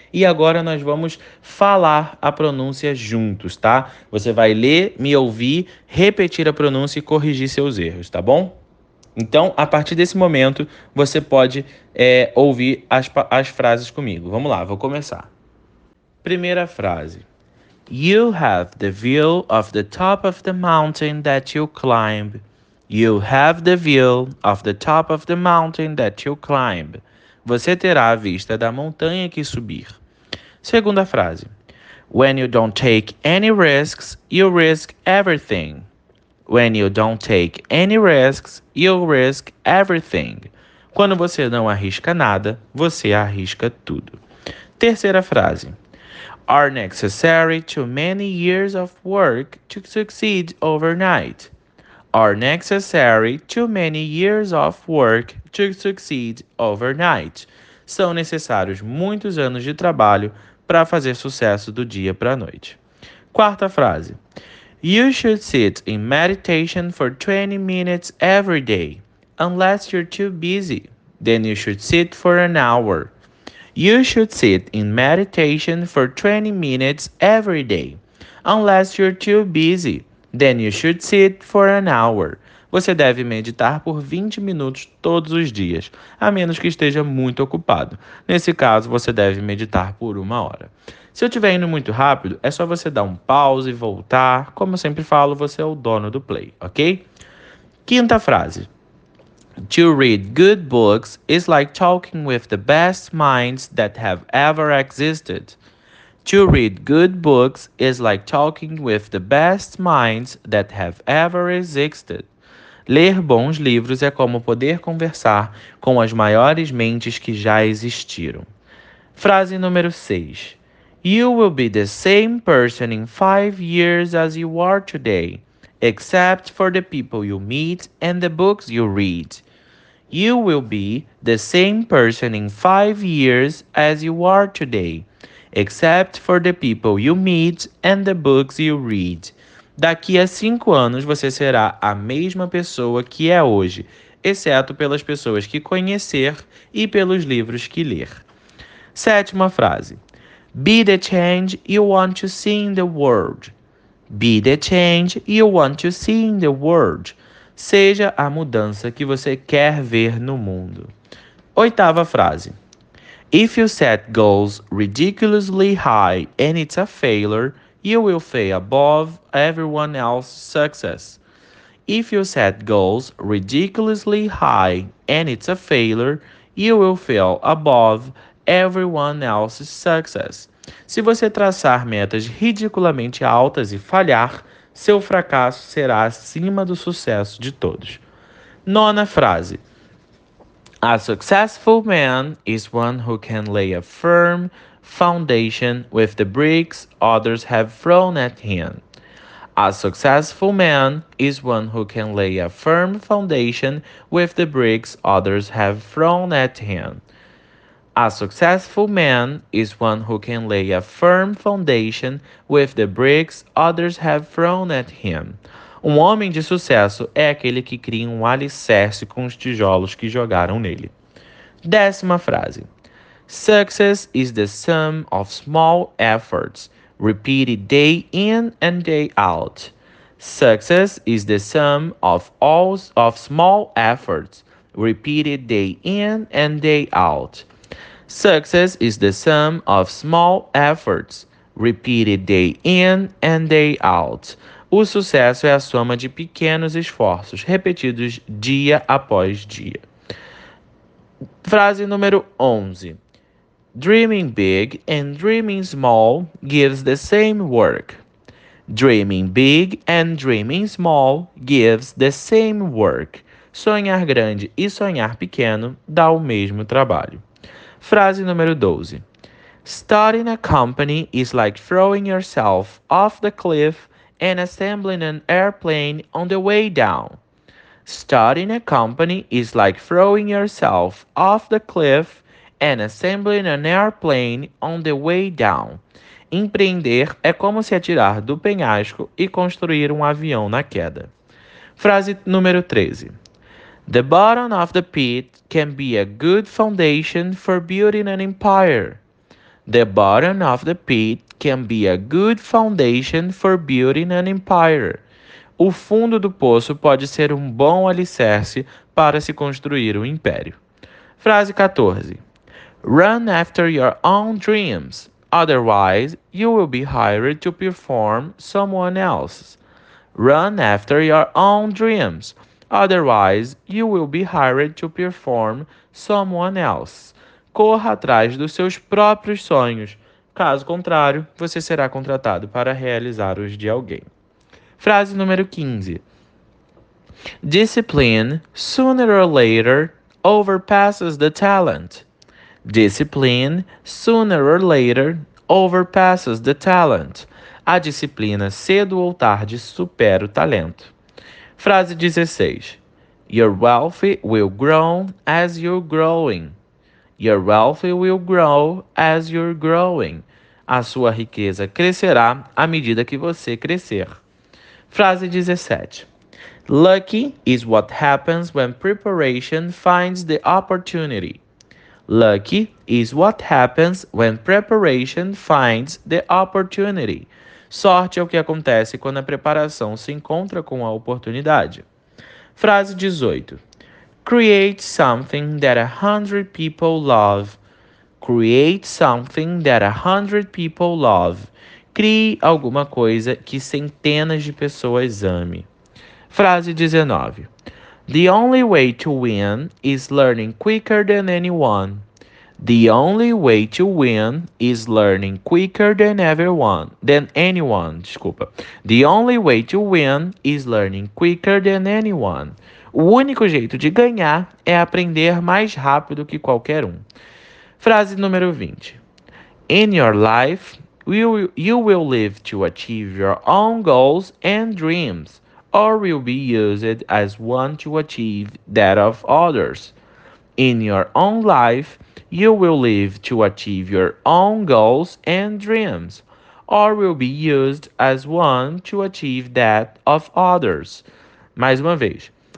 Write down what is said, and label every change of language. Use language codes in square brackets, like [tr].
[pt] E agora nós vamos falar a pronúncia juntos, tá? Você vai ler, me ouvir, repetir a pronúncia e corrigir seus erros, tá bom? Então, a partir desse momento, você pode ouvir as frases comigo. Vamos lá, vou começar. Primeira frase. [en] You have the view of the top of the mountain that you climb. You have the view of the top of the mountain that you climb. [pt] Você terá a vista da montanha que subir. Segunda frase. [en] When you don't take any risks, you risk everything. When you don't take any risks, you risk everything. [pt] Quando você não arrisca nada, você arrisca tudo. Terceira frase. [en] Are necessary too many years of work to succeed overnight. Are necessary too many years of work to succeed overnight. [pt] São necessários muitos anos de trabalho para fazer sucesso do dia para a noite. Quarta frase. [en] You should sit in meditation for 20 minutes every day, unless you're too busy. Then you should sit for an hour. You should sit in meditation for 20 minutes every day, unless you're too busy. Then you should sit for an hour. [pt] Você deve meditar por 20 minutos todos os dias, a menos que esteja muito ocupado. Nesse caso, você deve meditar por uma hora. Se eu estiver indo muito rápido, é só você dar um pause e voltar. Como eu sempre falo, você é o dono do play, ok? Quinta frase. [en] To read good books is like talking with the best minds that have ever existed. To read good books is like talking with the best minds that have ever existed. [pt] Ler bons livros é como poder conversar com as maiores mentes que já existiram. Frase número 6. [en] You will be the same person in 5 years as you are today, except for the people you meet and the books you read. You will be the same person in 5 years as you are today, except for the people you meet and the books you read. [pt] Daqui a 5 anos você será a mesma pessoa que é hoje, exceto pelas pessoas que conhecer e pelos livros que ler. Sétima frase. [en] Be the change you want to see in the world. Be the change you want to see in the world. [pt] Seja a mudança que você quer ver no mundo. Oitava frase. [en] If you set goals ridiculously high and it's a failure, you will fail above everyone else's success. If you set goals ridiculously high and it's a failure, you will fail above everyone else's success. [pt] Se você traçar metas ridiculamente altas e falhar, seu fracasso será acima do sucesso de todos. Nona frase. [en] A successful man is one who can lay a firm foundation with the bricks others have thrown at him. A successful man is one who can lay a firm foundation with the bricks others have thrown at him. A successful man is one who can lay a firm foundation with the bricks others have thrown at him. [pt] Um homem de sucesso é aquele que cria um alicerce com os tijolos que jogaram nele. Décima frase. [en] Success is the sum of small efforts, repeated day in and day out. Success is the sum of all of small efforts, repeated day in and day out. Success is the sum of small efforts, repeated day in and day out. [pt] O sucesso é a soma de pequenos esforços, repetidos dia após dia. Frase número 11. [en] Dreaming big and dreaming small gives the same work. Dreaming big and dreaming small gives the same work. [pt] Sonhar grande e sonhar pequeno dá o mesmo trabalho. Frase número 12. [en] Starting a company is like throwing yourself off the cliff and assembling an airplane on the way down. Starting a company is like throwing yourself off the cliff and assembling an airplane on the way down. [pt] Empreender é como se atirar do penhasco e construir um avião na queda. Frase número 13. [en] The bottom of the pit can be a good foundation for building an empire. The bottom of the pit can be a good foundation for building an empire. [pt] O fundo do poço pode ser um bom alicerce para se construir um império. Frase 14. [en] Run after your own dreams, otherwise you will be hired to perform someone else's. Run after your own dreams, otherwise you will be hired to perform someone else. [pt] Corra atrás dos seus próprios sonhos. Caso contrário, você será contratado para realizar os de alguém. Frase número 15. [en] Discipline, sooner or later, overpasses the talent. Discipline, sooner or later, overpasses the talent. [pt] A disciplina, cedo ou tarde, supera o talento. Frase 16. [en] Your wealth will grow as you're growing. Your wealth will grow as you're growing. [pt] A sua riqueza crescerá à medida que você crescer. Frase 17. [en] Lucky is what happens when preparation finds the opportunity. Lucky is what happens when preparation finds the opportunity. [pt] Sorte é o que acontece quando a preparação se encontra com a oportunidade. Frase 18. [en] Create something that 100 people love. Create something that 100 people love. [pt] Crie alguma coisa que centenas de pessoas ame. Frase 19. [en] The only way to win is learning quicker than anyone. The only way to win is learning quicker than everyone. Than anyone, [pt] desculpa. [en] The only way to win is learning quicker than anyone. [pt] O único jeito de ganhar é aprender mais rápido que qualquer um. Frase número 20. [en] In your life, you will live to achieve your own goals and dreams, or will be used as one to achieve that of others. In your own life, you will live to achieve your own goals and dreams, or will be used as one to achieve that of others. [pt] Mais uma vez.